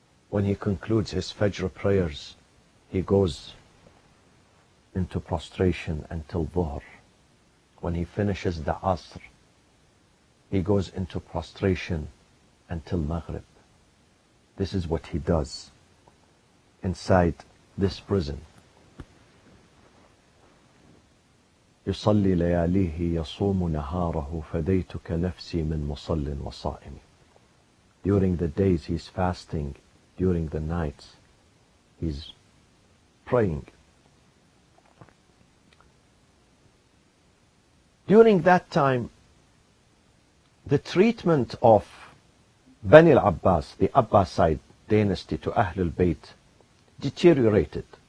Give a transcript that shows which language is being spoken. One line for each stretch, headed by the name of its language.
English: When he concludes his Fajr prayers, he goes into prostration until Dhuhr. When he finishes the Asr, he goes into prostration until Maghrib. This is what he does inside this prison.
Arabic: يصلي لياليه يصوم نهاره فديتك نفسي من مصل وصائم.
English: During the days he's fasting, during the nights he's praying. During that time, the treatment of Bani al-Abbas, the Abbaside dynasty, to Ahlul Bayt deteriorated.